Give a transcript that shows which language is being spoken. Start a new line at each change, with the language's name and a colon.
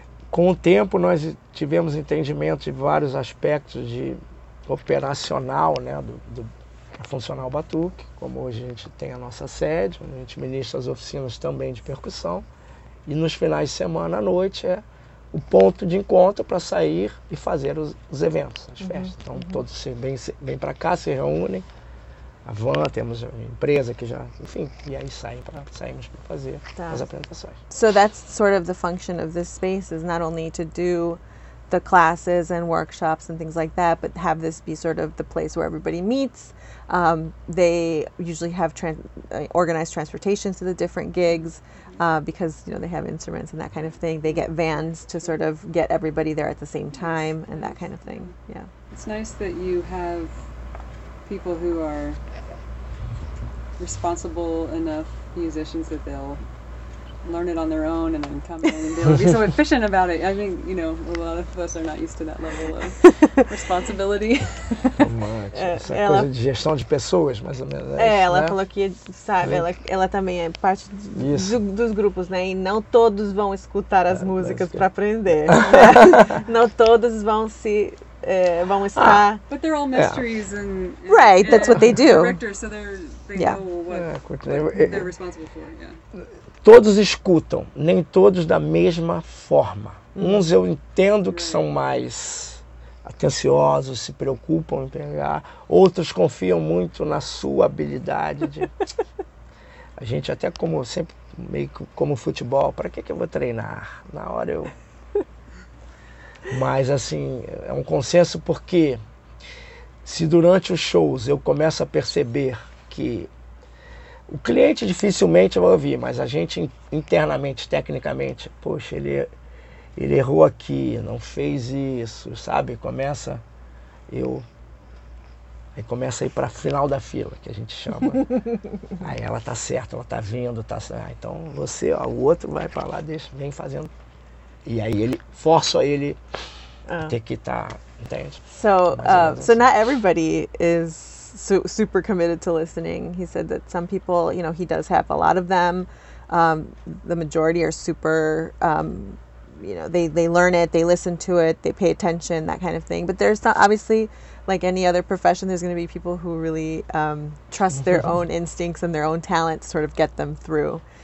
Portuguese: Com o tempo, nós tivemos entendimento de vários aspectos de operacional, né, do funcional batuque, como hoje a gente tem a nossa sede, a gente ministra as oficinas também de percussão, e nos finais de semana, à noite, é o ponto de encontro para sair e fazer os eventos, as festas. Então, todos vêm para cá, se reúnem, a van, temos uma empresa que já, enfim, e aí saímos para fazer as apresentações.
English: So that's sort of the function of this space, is not only to do the classes and workshops and things like that, but have this be sort of the place where everybody meets. They usually have organized transportation to the different gigs because, you know, they have instruments and that kind of thing. They get vans to sort of get everybody there at the same time and that kind of thing. Yeah. It's nice that you have people who are responsible enough musicians that they'll learn it on their own and then come in and they'll be so efficient about it. I think, you know, a lot of us are not used to that level of responsibility.
Portuguese: Essa coisa de gestão de pessoas, mais ou menos. É, ela falou que, sabe, ela também é parte dos grupos, né? E não todos vão escutar as músicas para aprender. Né? Não todos vão se... vão estar...
English: But they're all mysteries and... Right, that's what they do. Directors, so they know what they're responsible for,
Portuguese: Todos escutam, nem todos da mesma forma. Uns eu entendo que são mais atenciosos, se preocupam em pegar. Outros confiam muito na sua habilidade. A gente até como sempre, meio como futebol, para que eu vou treinar? Na hora eu... Mas, assim, é um consenso porque se durante os shows eu começo a perceber que o cliente dificilmente vai ouvir, mas a gente internamente, tecnicamente, poxa, ele errou aqui, não fez isso, sabe? Começa, aí começa a ir para a final da fila, que a gente chama. Aí ela tá certa, ela tá vindo, tá certo. Ah, então você, ó, o outro vai para lá, deixa, vem fazendo. E aí ele força ele ter que estar, entende?
English: So, so not everybody is super committed to listening. He said that some people, you know, he does have a lot of them. The majority are super, you know, they learn it, they listen to it, they pay attention, that kind of thing. But there's not, obviously, like any other profession, there's going to be people who really trust their own instincts and their own talent to sort of get them through.